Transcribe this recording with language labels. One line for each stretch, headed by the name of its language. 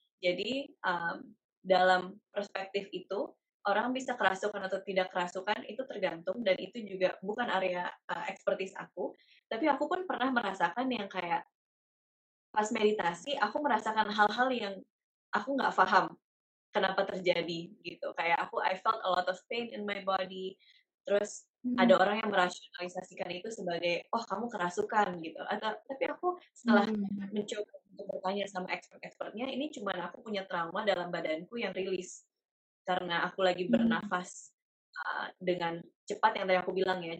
Indonesian: Jadi dalam perspektif itu, orang bisa kerasukan atau tidak kerasukan itu tergantung, dan itu juga bukan area expertise aku. Tapi aku pun pernah merasakan yang kayak pas meditasi, aku merasakan hal-hal yang aku nggak paham kenapa terjadi gitu. Kayak aku,
English: I felt a lot of pain in my body.
Indonesian: Terus ada orang yang merasionalisasikan itu sebagai, oh kamu kerasukan gitu. Tapi aku setelah mencoba untuk bertanya sama expert-expertnya, ini cuma aku punya trauma dalam badanku yang rilis. Karena aku lagi bernafas dengan cepat yang tadi aku bilang ya.